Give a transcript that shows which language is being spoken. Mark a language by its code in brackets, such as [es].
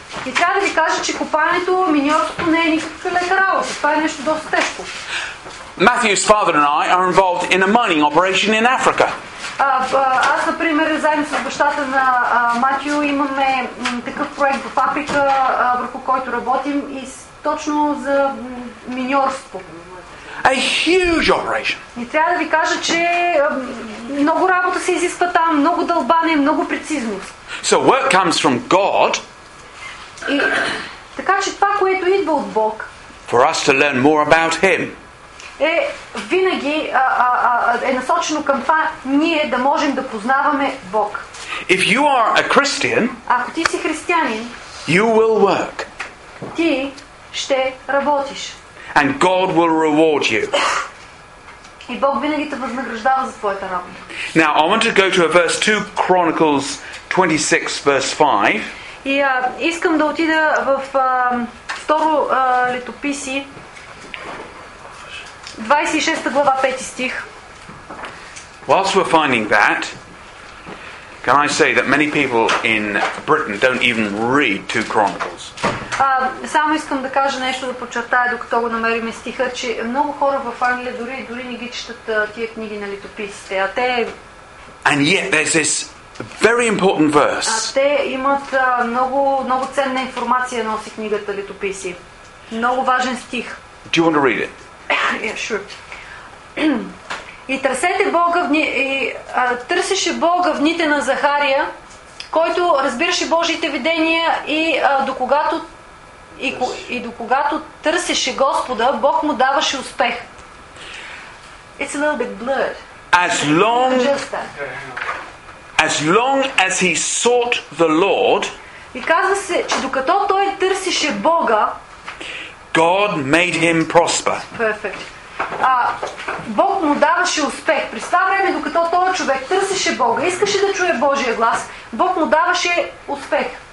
[bg] И трябва да ви кажа, че копаенето, миньорството не е никаква лека работа. Това е нещо доста тежко. [en] Matthew's father and I are involved in a mining operation in Africa. [bg] Аз, например, заедно с бащата на Матио имаме такъв проект в Африка, върху който работим, и точно за миньорство. [en] A huge operation. [bg] И трябва да ви кажа, че много работа се изисква там, много дълбане, много прецизност. [en] So work comes from God. [bg] И така че това, което идва от Бог. [en] For us to learn more about Him. [bg] Е винаги е насочено към това ние да можем да познаваме Бог. [en] If you are a Christian, [bg] ако ти си християнин, [en] you will work. [bg] Ти ще работиш. [en] And God will reward you. [bg] И Бог винаги те възнаграждава за твоята работа. [en] Now I want to go to a verse 2 Chronicles 26 verse 5. [bg] И искам да отида в второ летописи 26 глава 5 стих. [en] Whilst we're finding that, can I say that many people in Britain don't even read 2 Chronicles? [bg] Само искам да кажа нещо, да подчертая, докато го намерим стиха, че много хора в Англия дори не ги четат тия книги на летописите. А те... [en] And yet there's this very important verse. [bg] Те имат много, много ценна информация, носи книгата летописи. Много важен стих. [en] Do you want to read it? Yeah, sure. [bg] И търсете Бога в дни... търсеше Бога в дните на Захария, който разбираше Божиите видения и докогато и до когато търсеше Господа, Бог му даваше успех. [en] It's a little bit blurred. As long as he sought the Lord, [bg] и казва се, че докато той търсеше Бога, [en] God made him prosper. Perfect. [bg] Бог му даваше успех. През това време, докато този човек търсеше Бога, искаше да чуе Божия глас, Бог му даваше успех.